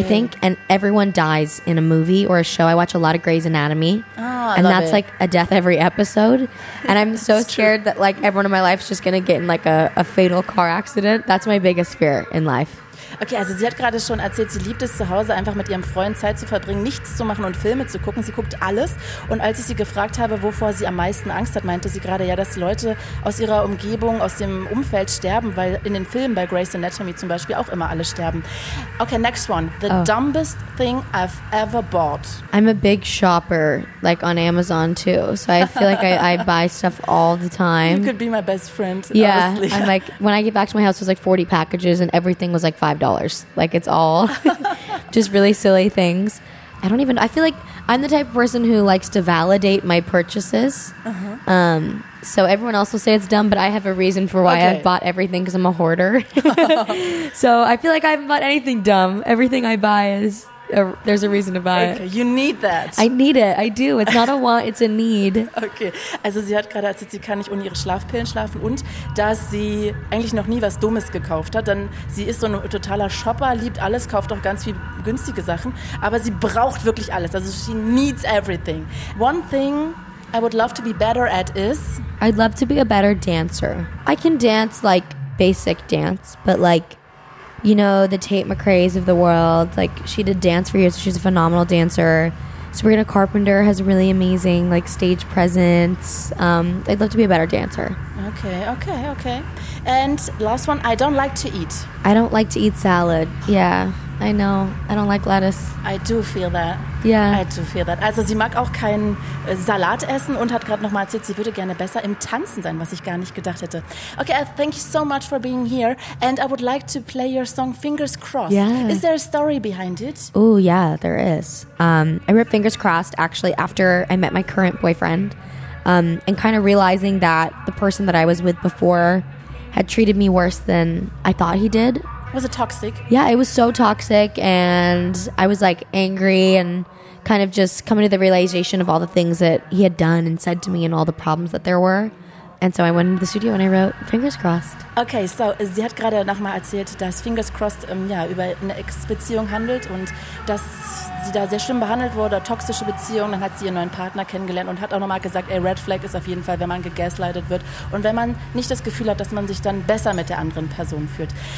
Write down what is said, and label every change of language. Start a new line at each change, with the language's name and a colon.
English: I think, and everyone dies in a movie or a show. I watch a lot of Grey's Anatomy. Oh, and that's it. Like a death every episode. And I'm so scared that like everyone in my life is just going to get in like a fatal car accident. That's my biggest fear in life.
German: Okay, also sie hat gerade schon erzählt, sie liebt es zu Hause einfach mit ihrem Freund Zeit zu verbringen, nichts zu machen und Filme zu gucken. Sie guckt alles. Und als ich sie gefragt habe, wovor sie am meisten Angst hat, meinte sie gerade ja, dass Leute aus ihrer Umgebung, aus dem Umfeld sterben, weil in den Filmen bei Grey's Anatomy zum Beispiel auch immer alle sterben.
English: Okay, next one. The dumbest thing I've ever bought. I'm a big shopper, like on Amazon too. So I feel like I buy stuff all the time. You could be my best friend. Yeah, honestly. I'm like, when I get back to my house, it was like 40 packages and everything was like $5. Like it's all just really silly things. I don't even, I feel like I'm the type of person who likes to validate my purchases. Uh-huh. So everyone else will say it's dumb, but I have a reason for why I've bought everything because I'm a hoarder. So I feel like I haven't bought anything dumb. Everything I buy is, there's a reason to buy it. You need that. I need it. I do. It's not a want, it's a need. Okay.
German: Also sie hat gerade erzählt, sie kann nicht ohne ihre Schlafpillen schlafen und dass sie eigentlich noch nie was Dummes gekauft hat. Denn sie ist so ein totaler Shopper, liebt alles, kauft auch ganz viel günstige Sachen. Aber sie braucht wirklich alles. Also
English: she needs everything. One thing I would love to be better at is? I'd love to be a better dancer. I can dance like basic dance, but like, you know, the Tate McRae's of the world, like she did dance for years. She's a phenomenal dancer. Sabrina Carpenter has really amazing, like, stage presence. I'd love to be a better dancer. Okay. And last one, I don't like to eat. I don't like to eat salad. Yeah, I know. I don't like lettuce. I do feel that. Yeah. I do feel that.
German: Also, sie mag auch keinen Salat essen und hat gerade nochmal erzählt, sie würde gerne besser im Tanzen sein, was ich gar nicht gedacht hätte.
English: Okay, thank you so much for being here. And I would like to play your song Fingers Crossed. Yeah. Is there a story behind it? Oh, yeah, there is. I wrote Fingers Crossed, actually, after I met my current boyfriend and kind of realizing that the person that I was with before had treated me worse than I thought he did. Was it toxic? Yeah, it was so toxic, and I was, like, angry and kind of just coming to the realization of all the things that he had done and said to me and all the problems that there were. And so I went into the studio and I wrote Fingers Crossed.
German: Okay, so sie hat gerade nochmal erzählt, dass Fingers Crossed ja, über eine Ex-Beziehung handelt und dass sie da sehr schlimm behandelt wurde, toxische Beziehung. Dann hat sie ihren neuen Partner kennengelernt und hat auch nochmal gesagt, ey, Red Flag ist auf jeden Fall, wenn man gegaslightet wird und wenn man nicht das Gefühl hat, dass man sich dann besser mit der anderen Person fühlt.